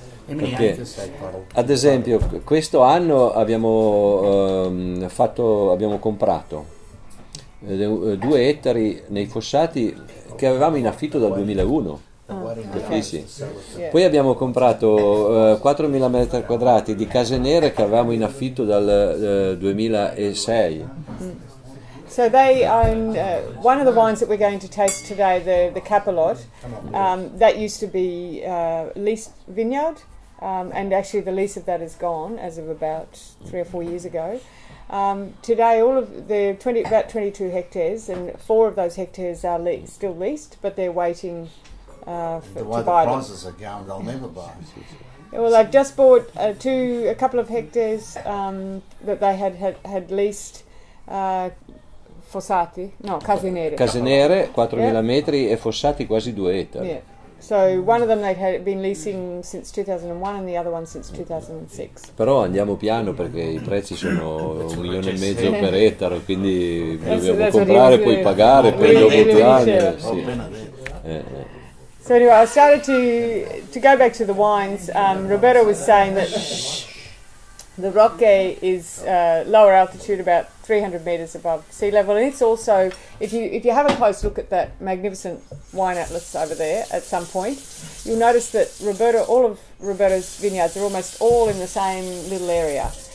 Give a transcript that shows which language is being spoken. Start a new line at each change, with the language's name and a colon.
Italian: Perché, ad esempio, questo anno abbiamo comprato 2 ettari nei Fossati, che avevamo in affitto dal 2001.
English: Oh, okay.
Italian: Sì. Poi abbiamo comprato 4.000 metri quadrati di Casenere, che avevamo in affitto dal 2006.
English: So they own one of the wines that we're going to taste today, the Capolot, that used to be leased vineyard, and actually the lease of that is gone as of about 3 or 4 years ago. Today, all of the about 22 hectares, and 4 of those hectares are still leased, but they're waiting to buy them. The one that promises a gown they'll never buy. Well, I've just bought a couple of hectares that they had leased Fossati, no, Casinere.
Italian: Casinere, 4,000 metri, e Fossati quasi 2 ettari.
English: Yeah. So one of them they had been leasing since 2001 and the other one since 2006.
Italian: Però andiamo piano perché i prezzi sono 1,5 million per ettaro, quindi dobbiamo comprare, poi pagare, poi dopo 2 anni. Sì.
English: So anyway, I started to go back to the wines. Roberto was saying that the Rocche is lower altitude, about 300 metres above sea level. And it's also, if you have a close look at that magnificent wine atlas over there at some point, you'll notice that all of Roberto's vineyards are almost all in the same little area.